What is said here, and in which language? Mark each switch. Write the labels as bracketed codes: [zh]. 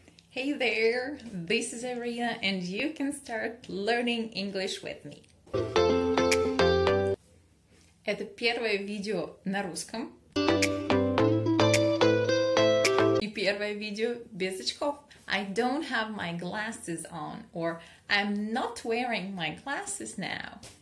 [en] Hey there, this is Aria, and you can start learning English with me. [ru] Это первое видео на русском. И первое видео без очков. [en] I don't have my glasses on, or I'm not wearing my glasses now.